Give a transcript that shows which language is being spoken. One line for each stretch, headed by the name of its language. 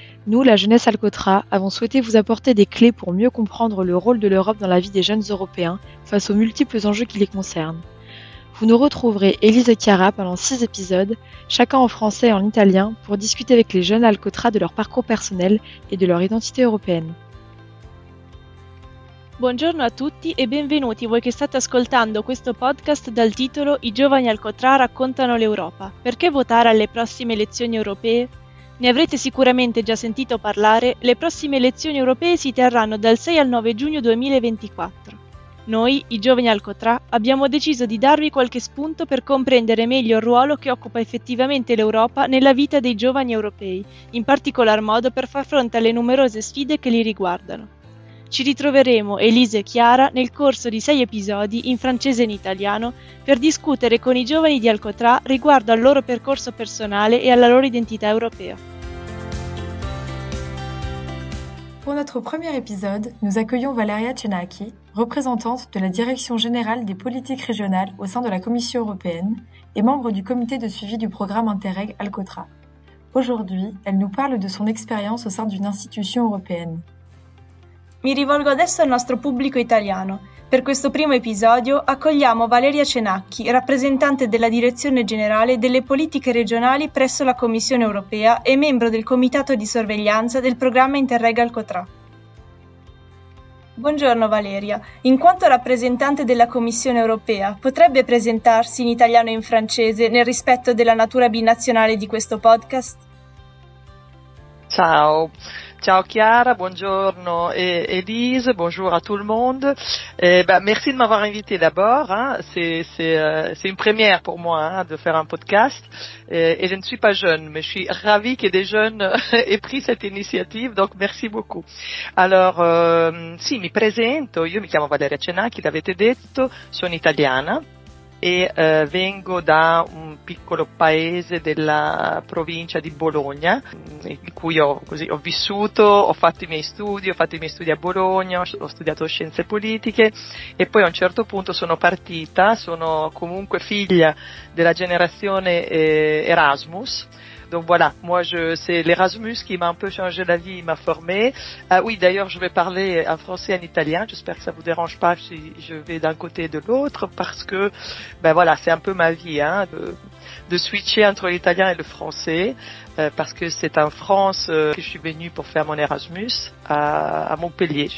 French: Nous, La Jeunesse Alcotra, avons souhaité vous apporter des clés pour mieux comprendre le rôle de l'Europe dans la vie des jeunes Européens face aux multiples enjeux qui les concernent. Vous nous retrouverez Élise et Chiara pendant 6 épisodes, chacun en français et en italien, pour discuter avec les jeunes Alcotra de leur parcours personnel et de leur identité européenne.
Italian: Buongiorno a tutti e benvenuti voi che state ascoltando questo podcast dal titolo I giovani Alcotra raccontano l'Europa. Perché votare alle prossime elezioni europee? Ne avrete sicuramente già sentito parlare, le prossime elezioni europee si terranno dal 6 al 9 giugno 2024. Noi, i giovani Alcotra, abbiamo deciso di darvi qualche spunto per comprendere meglio il ruolo che occupa effettivamente l'Europa nella vita dei giovani europei, in particolar modo per far fronte alle numerose sfide che li riguardano. Ci ritroveremo, Elisa e Chiara, nel corso di 6 episodi, in francese e in italiano, per discutere con i giovani di Alcotra riguardo al loro percorso personale e alla loro identità europea.
French: Pour notre premier épisode, nous accueillons Valeria Cenacchi, représentante de la Direction générale des politiques régionales au sein de la Commission européenne et membre du comité de suivi du programme Interreg Alcotra. Aujourd'hui, elle nous parle de son expérience au sein d'une institution européenne.
Italian: Mi rivolgo adesso al nostro pubblico italiano. Per questo primo episodio accogliamo Valeria Cenacchi, rappresentante della Direzione Generale delle Politiche Regionali presso la Commissione Europea e membro del Comitato di Sorveglianza del programma Interreg Alcotra. Buongiorno Valeria. In quanto rappresentante della Commissione Europea, potrebbe presentarsi in italiano e in francese nel rispetto della natura binazionale di questo podcast? Ciao. Ciao Chiara, buongiorno Elise,
French: bonjour à tout le monde. Merci de m'avoir invité d'abord, hein. C'est une première pour moi de faire un podcast. Et je ne suis pas jeune, mais je suis ravie que des jeunes aient pris cette initiative, donc merci beaucoup.
Italian: Alors, mi presento, io mi chiamo Valeria Cenacchi, l'avete detto, sono italiana. E vengo da un piccolo paese della provincia di Bologna, in cui ho vissuto, ho fatto i miei studi a Bologna, ho studiato scienze politiche e poi a un certo punto sono partita, sono comunque figlia della generazione Erasmus.
French: Donc voilà, moi c'est l'Erasmus qui m'a un peu changé la vie, m'a formé. Oui, d'ailleurs, je vais parler en français et en italien. J'espère que ça vous dérange pas si je vais d'un côté et de l'autre, parce que ben voilà, c'est un peu ma vie, hein, de switcher entre l'italien et le français, parce que c'est en France que je suis venue pour faire mon Erasmus à Montpellier.